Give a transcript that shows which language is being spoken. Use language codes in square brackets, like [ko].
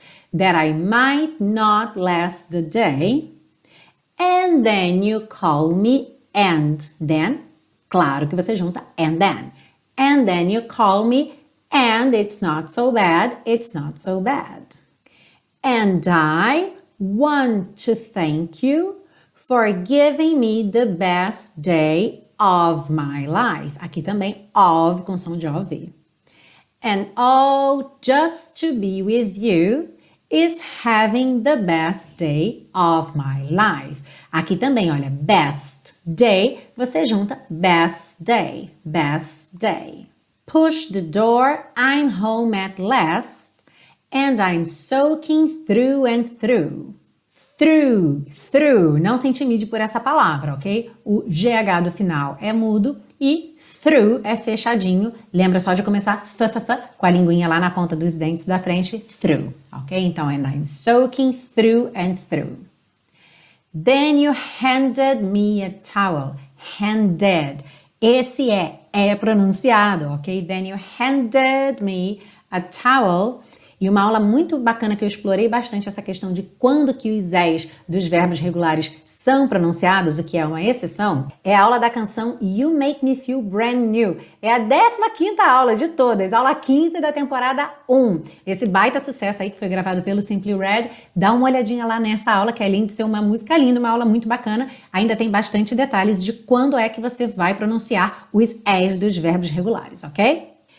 [en] That I might not last the day, and then you call me, and then, [pt] claro que você junta, [en] and then you call me, and it's not so bad, it's not so bad. And I want to thank you for giving me the best day of my life. [pt] Aqui também, of, com som de OV. [en] And all just to be with you is having the best day of my life. [pt] Aqui também, olha, best day, você junta best day, best day. [en] Push the door, I'm home at last, and I'm soaking through and through. [pt] Through, through, não se intimide por essa palavra, ok? O GH do final é mudo e through é fechadinho. Lembra só de começar fa-fa-fa com a linguinha lá na ponta dos dentes da frente. [en] Through, ok? Então, and I'm soaking through and through. Then you handed me a towel. Handed. [pt] Esse é pronunciado, ok? [en] Then you handed me a towel. [pt] E uma aula muito bacana que eu explorei bastante essa questão de quando que os Es dos verbos regulares são pronunciados, o que é uma exceção, é a aula da canção You Make Me Feel Brand New. É a 15ª aula de todas, aula 15 da temporada 1. Esse baita sucesso aí que foi gravado pelo Simply Red, dá uma olhadinha lá nessa aula, que além de ser uma música linda, uma aula muito bacana, ainda tem bastante detalhes de quando é que você vai pronunciar os Es dos verbos regulares, ok?